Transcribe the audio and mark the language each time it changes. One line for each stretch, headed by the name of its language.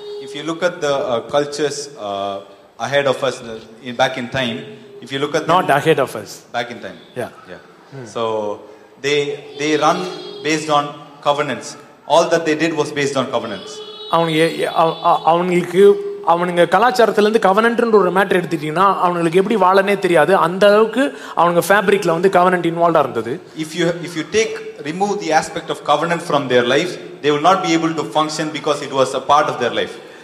English: If you look at the cultures ahead of us, back in time, if you look at not ahead of us, back in time, yeah. So they run based on covenants. All that they did was based on covenants.
Tamil: அவங்களுக்கு அவங்க கலாச்சாரத்துல இருந்து கவனன்ட்ன்ற ஒரு matter எடுத்துட்டீங்கன்னா அவங்களுக்கு எப்படி வாழனே தெரியாது, அந்த அளவுக்கு அவங்க ஃபேப்ரிக்ல வந்து கவனன்ட் இன்வால்வ்டா இருந்தது.
English: If you take remove the aspect of covenant from their life, they will not be able to function because it was a part of their life.